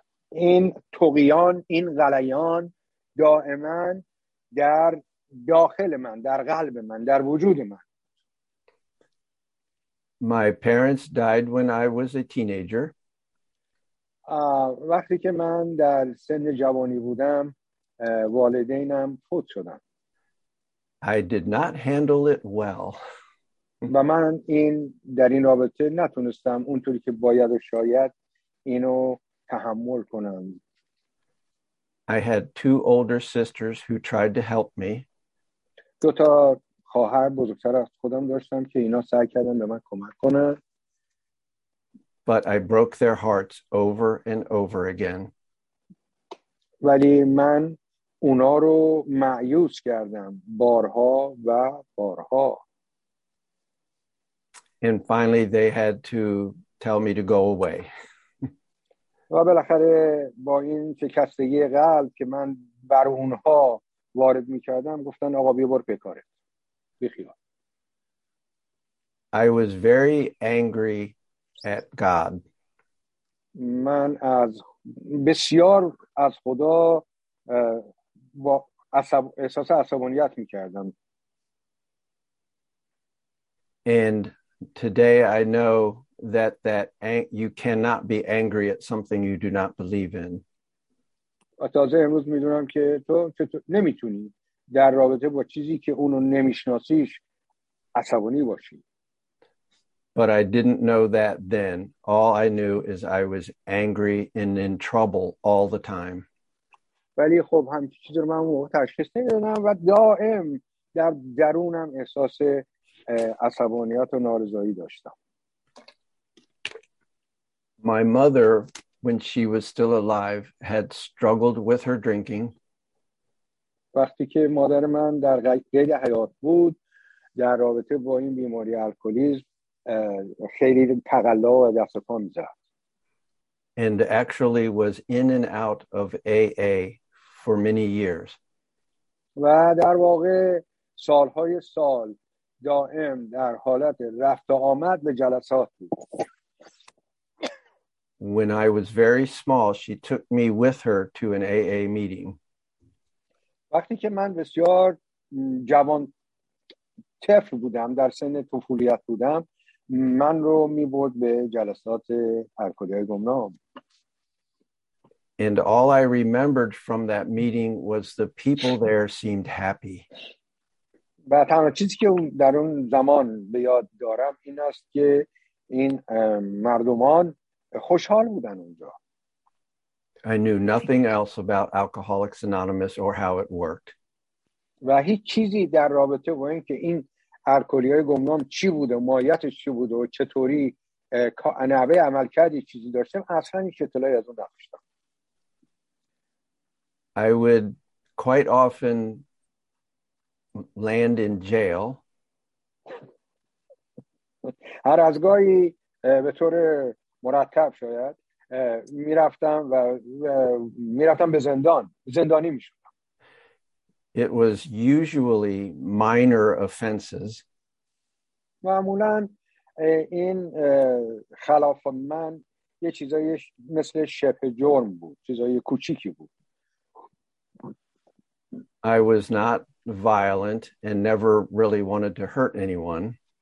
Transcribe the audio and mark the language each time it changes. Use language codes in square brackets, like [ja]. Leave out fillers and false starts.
[fa] این طغیان، این غلیان دائما در داخل من، در قلب من، در وجود من. [en] My parents died when I was a teenager. [fa] وقتی که من در سن جوانی بودم والدینم فوت شدن. [en] I did not handle it well. [fa] و من این در این رابطه نتونستم اونطوری که باید و شاید اینو تحمل کنم. [en] I had two older sisters who tried to help me. [fa] دو تا خواهر بزرگتر از خودم داشتم که اینا سعی کردن به من کمک کنن. [en] But I broke their hearts over and over again. [fa] ولی من اونا رو مایوس کردم بارها و بارها. [en] And finally they had to tell me to go away. [fa] و بالاخره با این شکستگی قلب که من بر اونها وارد می‌کردم گفتن آقا بیا برو بیکارت. بی‌خیال. [en] I was very angry at God. [fa] من از بسیار از خدا با احساس عصبانیت می‌کردم. [en] And today I know that you cannot be angry at something you do not believe in. [fa] تازه امروز میدونم که تو نمیتونی در رابطه با چیزی که اونو نمیشناسیش عصبانی باشی. [en] But I didn't know that then. All I knew is I was angry and in trouble all the time. [fa] ولی خب همچین چیزی رو من تشخیص نمیدادم و دائم در درونم احساس عصبانیت و نارضایتی داشتم. [en] My mother, when she was still alive, had struggled with her drinking. [fa] وقتی که مادر من در قید حیات بود در رابطه با این بیماری الکلیسم خیلی تقلا و دست و پا می‌زد. [en] And actually was in and out of AA for many years. [fa] و در واقع سال‌های سال دائم در حالت رفت و آمد به جلسات بود. [en] When I was very small, she took me with her to an AA meeting. [fa] وقتی که من بسیار جوان طفل بودم، در سن طفولیت بودم، من رو می‌برد به جلسات الکلی‌های گمنام. [en] And all I remembered from that meeting was the people there seemed happy. [fa] و تنها چیزی که در اون زمان به یاد دارم این است که این مردمان خوشحال بودن اونجا. [en] I knew nothing else about Alcoholics Anonymous or how it worked. [fa] و هیچ چیزی در رابطه با اینکه این الکلی‌های گمنام چی بود و ماهیتش چی بود و چطوری نحوه عملکردی چیزی داشتم اصلا هیچ اطلاعی از اون نداشتم. [en] I would quite often land in jail. [fa] هر از گاهی به طور مرتب شاید میرفتم و میرفتم به زندان، زندانی میشدم. [en] It was usually minor offenses. [fa] معمولا این خلاف من یه چیزایی مثل شبه جرم بود، چیزایی کوچیکی بود. [en] I was not violent and never really wanted to hurt anyone.